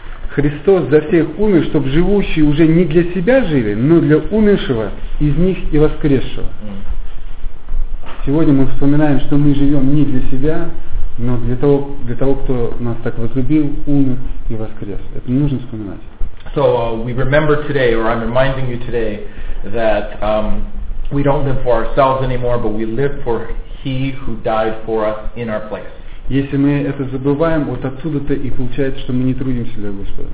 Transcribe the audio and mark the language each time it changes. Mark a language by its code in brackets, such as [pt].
[ru] Христос за всех умер, чтобы живущие уже не для себя жили, но для умершего из них и воскресшего. Сегодня мы вспоминаем, что мы живем не для себя, но для того, кто нас так возлюбил, умер и воскрес. Это нужно вспоминать. [en] So we remember today, or I'm reminding you today, that we don't live for ourselves anymore, but we live for He who died for us in our place. [ru] Если мы это забываем, вот отсюда-то и получается, что мы не трудимся для Господа.